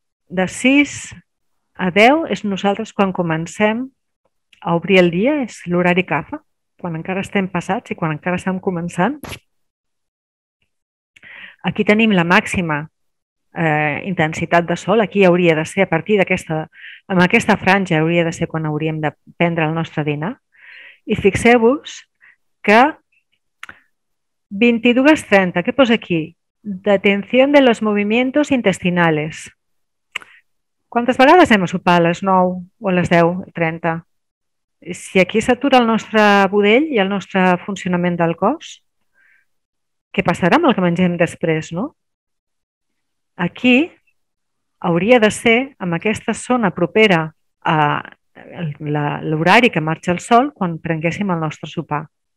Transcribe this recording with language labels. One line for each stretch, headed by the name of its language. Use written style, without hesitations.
Catalan: de 6 a 10 és nosaltres quan comencem a obrir el dia, és l'horari Kapha, quan encara estem passats i quan encara estem començant. Aquí tenim la màxima intensitat de sol. Aquí hauria de ser, a partir d'aquesta, amb aquesta franja, hauria de ser quan hauríem de prendre el nostre dinar. I fixeu-vos que 22:30, què posa aquí?
Spanish: Detenció de los movimientos intestinales.
Catalan: Quantes vegades hem a sopar? A les 9 o a les 10:30? Si aquí s'atura el nostre budell i el nostre funcionament del cos, què passarà amb el que mengem després, no? Aquí hauria de ser, amb aquesta zona propera a l'horari que marxa el sol, quan prenguéssim el nostre sopar.